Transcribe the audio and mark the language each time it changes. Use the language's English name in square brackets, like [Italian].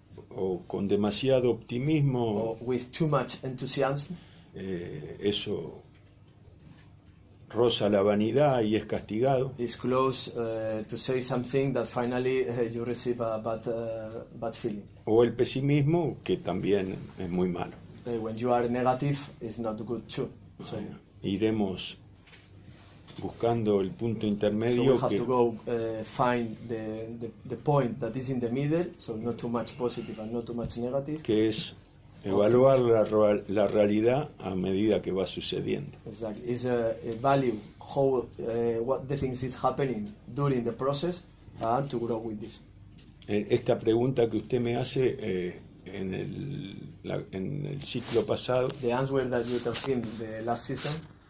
[Spanish] O con demasiado optimismo. [English] Or with too much enthusiasm. [Spanish] Eso roza la vanidad y es castigado. [English] It's close to say something that finally you receive a bad feeling. [Spanish] O el pesimismo, que también es muy malo. [English] When you are negative, it's not good too. So, [Spanish] iremos buscando el punto intermedio. [English] So we have to go find the point that is in the middle, so not too much positive and not too much negative. [Spanish] Que es evaluar la realidad a medida que va sucediendo. [English] Exactly. Is a value how what the things is happening during the process and to grow with this. [Spanish] Esta pregunta que usted me hace en el ciclo pasado. [English] The answer that you have seen the last season.